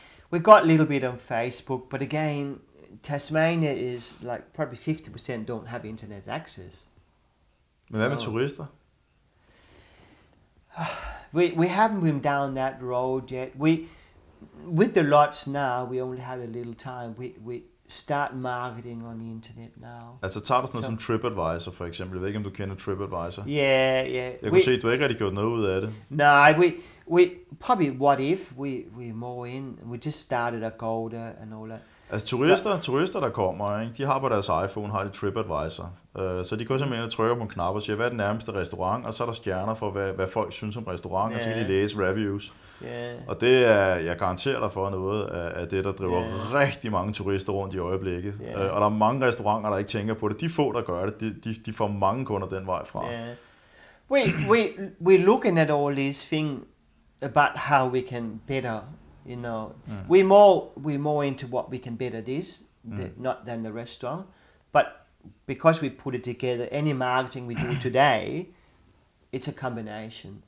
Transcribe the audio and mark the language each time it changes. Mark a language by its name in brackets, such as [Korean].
[English] We've got a little bit on Facebook, but again, Tasmania is like probably 50% don't have internet access. [Danish] Men hvad med turister? [English] We haven't been down that road yet. With the lots now, we only had a little time. We start marketing on the internet now. [Danish] Altså tager du sådan som TripAdvisor for eksempel? Jeg ved ikke, om du kender TripAdvisor. [English] Yeah. [Danish] Jeg kunne se, at du ikke rigtig gjort noget ud af det. Nej, [English] we probably what if we more in, we just started Agoda and all that. [Danish] Altså turister der kommer, ikke, de har på deres iPhone, har de TripAdvisor. Så de går simpelthen og trykker på en knap og siger, hvad er den nærmeste restaurant? Og så er der stjerner for, hvad folk synes om restaurant, yeah. Og så kan de læse reviews. [English] Yeah. [Danish] Og det er, jeg garanterer dig for noget af det, der driver rigtig mange turister rundt i øjeblikket. [English] Yeah. [Danish] Og der er mange restauranter, der ikke tænker på det. De få, der gør det, de får mange kunder den vej fra. [English] Yeah. We looking at all these things about how we can better, you know. Mm. We more into what we can better this, not than the restaurant. But because we put it together, any marketing we do today, it's a combination.